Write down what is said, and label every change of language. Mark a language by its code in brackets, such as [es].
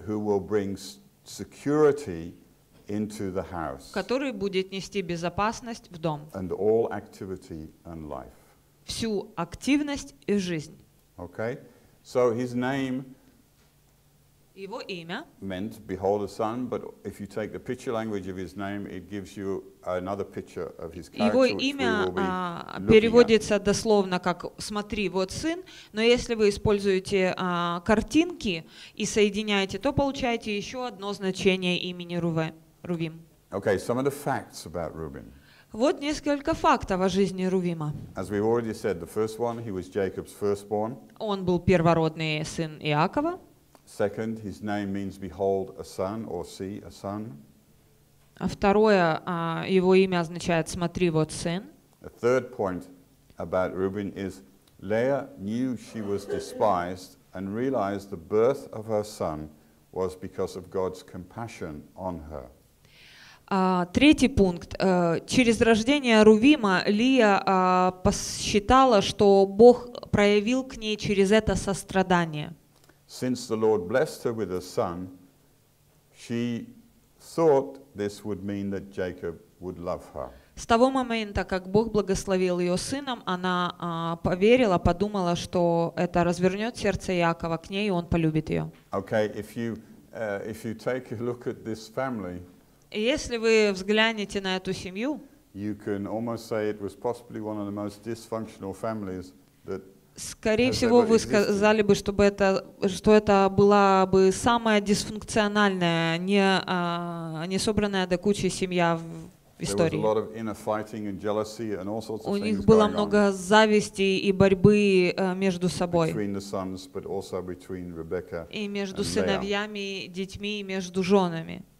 [en] Who will bring security into the house. [ru] Который будет нести безопасность в дом. [en] And all activity and life. [ru] Всю активность и жизнь. [en] Okay, so his name. [ru] Его имя. [en] Meant behold a son, but if you take the picture language of his name, it gives you another picture of his character. [ru] Его имя переводится дословно как смотри, вот сын, но если вы используете картинки и соединяете, то получаете еще одно значение имени Рувим. [en] Okay, some of the facts about Reuben. [ru] Вот несколько фактов о жизни Рувима. [en] As we've already said, the first one, he was Jacob's firstborn. [ru] Он был первородный сын Иакова. [en] Second, his name means behold a son or see a son. [ru] А второе, его имя означает смотри вот сын. [en] The third point about Reuben is Leah knew she was despised and realized the birth of her son was because of God's compassion on her. [ru] Третий пункт. Через рождение Рувима Лия посчитала, что Бог проявил к ней через это сострадание. [en] Since the Lord blessed her with a son, she thought this would mean that Jacob would love her. [ru] С того момента, как Бог благословил ее сыном, она поверила, подумала, что это развернет сердце Иакова к ней, и он полюбит ее. [en] Okay, if you take a look at this family. [ru] Если вы взглянете на эту семью, [en] you can almost say it was possibly one of the most dysfunctional families that. [ru] Скорее всего, вы сказали бы, что это была бы самая дисфункциональная, не собранная до кучи семья в истории. [en] There was a lot of inner fighting and jealousy and all sorts of things going on. [ru] У них было много зависти и борьбы между собой. [en] Between the sons, but also between Rebecca and [ru] Leah. И между сыновьями, детьми, и между женами.